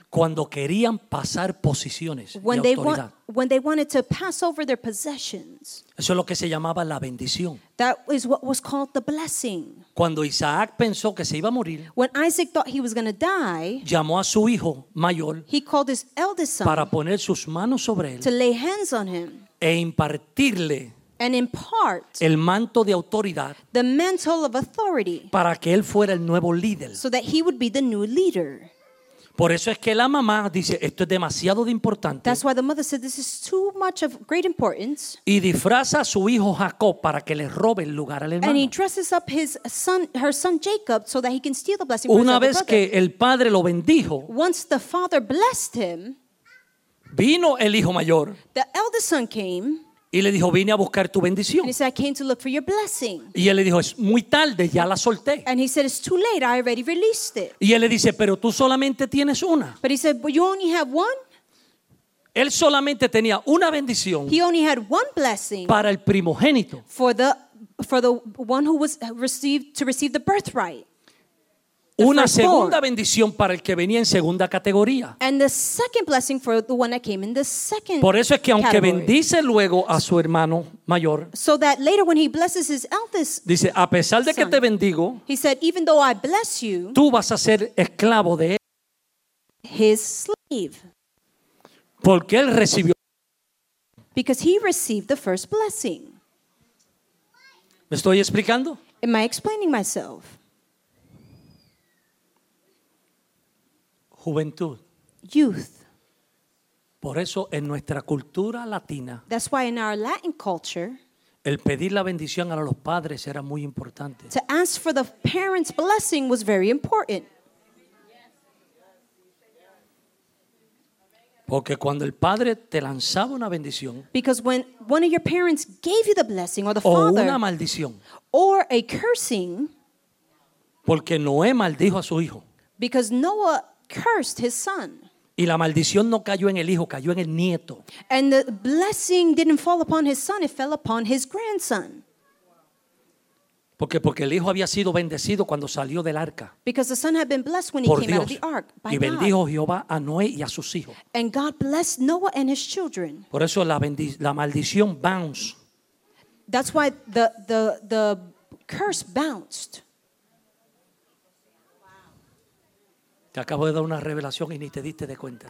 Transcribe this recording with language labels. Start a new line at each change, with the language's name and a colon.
Spanish: Cuando querían pasar posiciones when y autoridad.
English: When they wanted to pass over their possessions.
Spanish: Eso es lo que se llamaba la bendición.
English: That is what was called the blessing.
Spanish: Cuando Isaac pensó que se iba a morir.
English: When Isaac thought he was going to die.
Spanish: Llamó a su hijo mayor.
English: He called his eldest son.
Spanish: Para poner sus manos sobre él.
English: To lay hands on him.
Spanish: E impartirle.
English: And impart
Spanish: el manto de autoridad,
English: the mantle of authority,
Spanish: para que él fuera el nuevo líder,
English: so that he would be the new leader.
Spanish: Por eso es que la mamá dice, esto es demasiado de importante.
English: That's why the mother said, this is too much of great importance.
Spanish: Y disfraza a su hijo Jacob para que le robe el lugar al hermano.
English: And he dresses up her son Jacob so that he can steal the blessing.
Spanish: Una vez que el padre lo bendijo,
English: once the father blessed him,
Spanish: vino el hijo mayor,
English: the eldest son came.
Spanish: Y le dijo, vine a buscar tu bendición.
English: And he said, I came to look for your blessing.
Spanish: Y él le dijo, es muy tarde, ya la solté.
English: And he said, it's too late, I already released it.
Spanish: Y él le dice, pero tú solamente tienes una.
English: But he said, but you only have one.
Spanish: Él solamente tenía una bendición.
English: He only had one blessing.
Spanish: Para el primogénito.
English: For the one who was received to receive the birthright.
Spanish: Una segunda bendición para el que venía en segunda categoría.
English: And the second blessing for the one that came in the second.
Spanish: Por eso es que aunque
English: category.
Spanish: Bendice luego a su hermano mayor.
English: So that later when he blesses his eldest.
Spanish: Dice, a pesar de
English: son,
Spanish: que te bendigo.
English: He said, even though I bless you.
Spanish: Tú vas a ser esclavo de él.
English: His slave.
Spanish: Porque él recibió.
English: Because he received the first blessing.
Spanish: ¿Me estoy explicando?
English: Am I explaining myself?
Spanish: Juventud.
English: Youth.
Spanish: Por eso en nuestra cultura latina.
English: That's why in our Latin culture.
Spanish: El pedir la bendición a los padres era muy importante.
English: To ask for the parents' blessing was very important.
Spanish: Porque cuando el padre te lanzaba una bendición.
English: Because when one of your parents gave you the blessing or the father.
Spanish: O una maldición.
English: Or a cursing.
Spanish: Porque Noé maldijo a su hijo.
English: Because Noah cursed his son.
Spanish: Y la maldición no cayó en el hijo, cayó en el nieto.
English: And the blessing didn't fall upon his son, it fell upon his grandson.
Spanish: Porque el hijo había sido bendecido cuando salió del arca.
English: Because the son had been blessed when
Spanish: por
English: he came
Spanish: Dios.
English: Out of the ark by God.
Spanish: Y bendijo Jehová a Noé y a sus hijos.
English: And God blessed Noah and his children.
Spanish: Por eso la maldición bounce.
English: That's why the curse bounced.
Spanish: Te acabo de dar una revelación y ni te diste de cuenta.